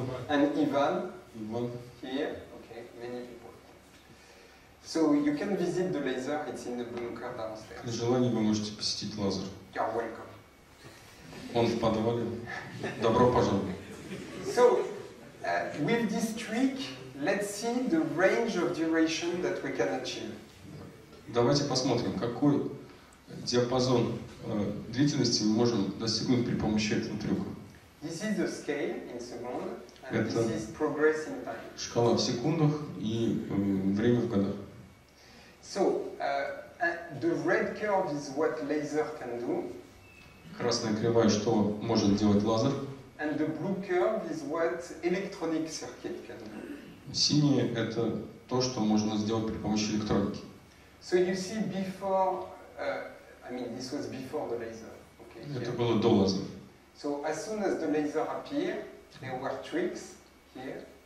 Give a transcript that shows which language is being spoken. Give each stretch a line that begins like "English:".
English: Okay. And Ivan.
Russian: Иван.
English: Here. Okay. Many people. So you can visit the laser. It's in the bunker downstairs.
Russian: При желании вы можете посетить лазер.
English: You're welcome.
Russian: Он в подвале. Добро пожаловать.
English: So with this trick, let's see the range of duration that we can achieve.
Russian: Давайте посмотрим, какой диапазон длительности мы можем достигнуть при помощи этого трюка.
English: This is the scale in second, and
Russian: это
English: this is progress in time.
Russian: Шкала в секундах и время в годах.
English: So, the red curve is what laser can do.
Russian: Красная кривая, что может делать лазер.
English: And the blue curve is what electronic circuit can do.
Russian: Синее – это то, что можно сделать при помощи электроники.
English: So you see before, this was before the laser, okay?
Russian: Это
English: here.
Russian: Было до лазера.
English: So as soon as the laser appeared, there were tricks here.